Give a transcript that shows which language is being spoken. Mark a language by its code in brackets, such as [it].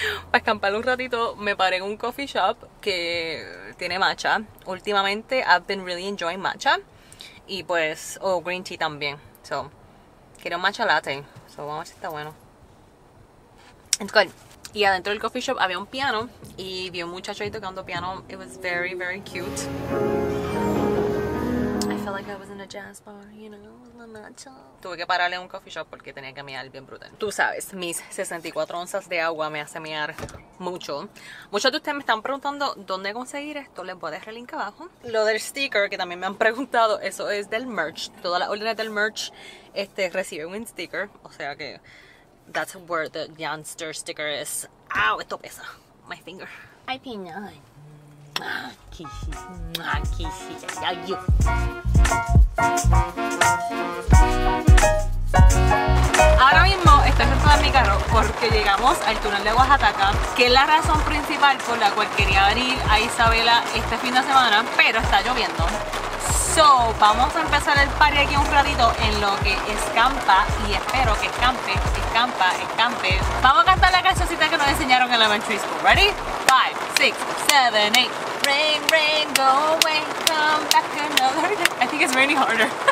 [es] Para escampar un ratito, me paré en un coffee shop que tiene matcha. Últimamente, [en] I've been really enjoying matcha. [es] Y pues, [en] green tea [es] también. So, quiero matcha latte. So, vamos a ver si está bueno. [en] It's good. [es] Y adentro del coffee shop había un piano. Y vi un muchacho ahí tocando piano. [en] It was very, very cute. I felt like I was in a jazz bar, you know. [es] Tuve que pararle en un coffee shop porque tenía que mear bien brutal. Tú sabes, mis 64 onzas de agua me hace mear mucho. Muchos de ustedes me están preguntando dónde conseguir esto. Les voy a dejar el link abajo. Lo del sticker, que también me han preguntado, eso es del merch. Todas las órdenes del merch reciben un sticker. O sea que... [en] That's where the youngster sticker is. [es] Ow, esto pesa. [en] My finger. [es] Ay, piña. Kissy. Kissy. Ay, yo. Ahora mismo estoy sentada en mi carro porque llegamos al túnel de Oaxaca, que es la razón principal por la cual quería venir a Isabela este fin de semana, pero está lloviendo. So, vamos a empezar el party aquí un ratito en lo que escampa y espero que escampe, escampa, escampe. Vamos a cantar la cancioncita que nos enseñaron en elementary school. [en] Ready? [es] 5, 6, 7, 8. [en] Rain, rain, go away, come back another day. I think it's raining harder.